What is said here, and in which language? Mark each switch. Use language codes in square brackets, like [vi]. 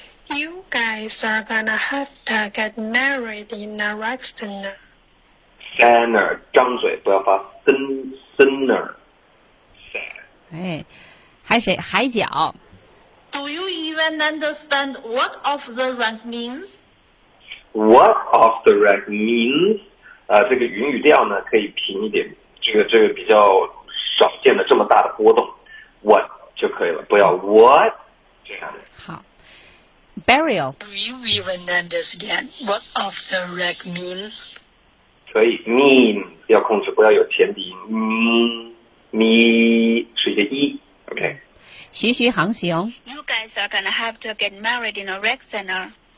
[en] You guys are gonna have to get married in a rec center. [zh] Center, 张嘴不要发 center. 哎，还谁？海角。 [en] Do you even understand what off the rank means? What off the rank means? [zh] 这个云语调呢可以平一点，这个比较少见的这么大的波动 ，what 就可以了，不要 what 这样的。 [en] 好。Burial. Do you even understand what off the rack means? [zh] 可以 mean 要控制，不要有前鼻音。 me 是一个 e. OK. 徐徐航行。 [en] You guys are gonna have to get married in a rec center.